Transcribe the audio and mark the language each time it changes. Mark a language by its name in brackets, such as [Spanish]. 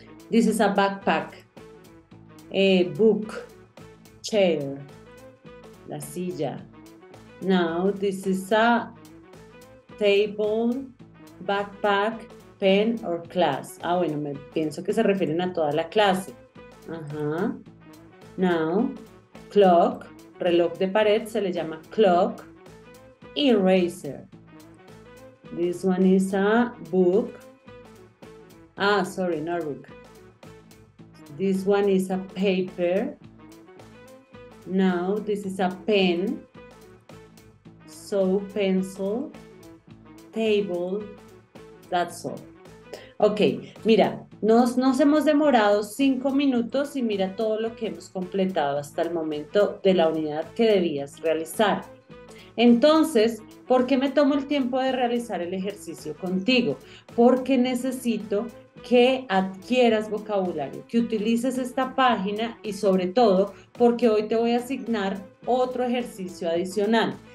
[English] This is a backpack, a book, chair, la silla. Now, this is a table, backpack, pen or class. [Spanish] Ah, bueno, me pienso que se refieren a toda la clase. Ajá. Now, clock, reloj de pared, se le llama clock, eraser. [English] This one is a book. Ah, sorry, not book. This one is a paper. Now, this is a pen. So, pencil, table, that's all. [Spanish] Ok, mira, nos hemos demorado 5 minutos y mira todo lo que hemos completado hasta el momento de la unidad que debías realizar. Entonces, ¿por qué me tomo el tiempo de realizar el ejercicio contigo? Porque necesito que adquieras vocabulario, que utilices esta página y sobre todo porque hoy te voy a asignar otro ejercicio adicional.